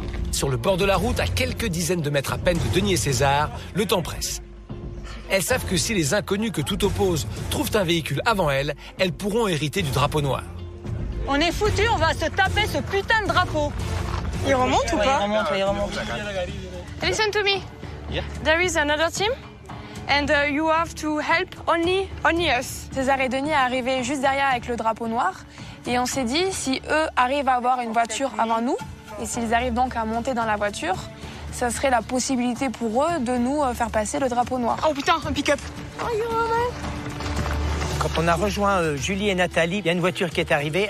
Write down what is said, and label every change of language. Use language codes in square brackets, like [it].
[fr] Sur le bord de la route, à quelques dizaines de mètres à peine de Denis et César, le temps presse. Elles savent que si les inconnus que tout oppose trouvent un véhicule avant elles, elles pourront hériter du drapeau noir. On est foutus, on va se taper ce putain de drapeau. Il remonte ou pas? Il remonte, il remonte. [en] Listen to me. Yeah. There is another team and you have to help only us. [fr] César et Denis sont arrivés juste derrière avec le drapeau noir et on s'est dit si eux arrivent à avoir une voiture avant nous et s'ils arrivent donc à monter dans la voiture, ça serait la possibilité pour eux de nous faire passer le drapeau noir. Oh putain, un pick-up. Quand on a rejoint Julie et Nathalie, il y a une voiture qui est arrivée.